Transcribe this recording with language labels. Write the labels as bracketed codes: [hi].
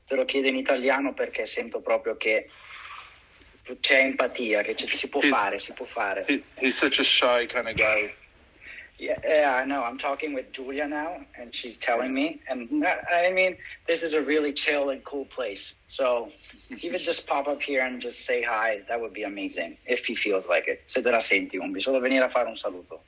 [it] Te lo chiedo in italiano perché sento proprio che c'è empatia, che si può fare. [en] He's such a shy kind of guy. Yeah, I know. I'm talking with Julia now, and she's telling me. And I mean, this is a really chill and cool place. So if you could just pop up here and just say hi, that would be amazing, if he feels like it. [it] Se te la senti, un bisogno venire a fare un saluto.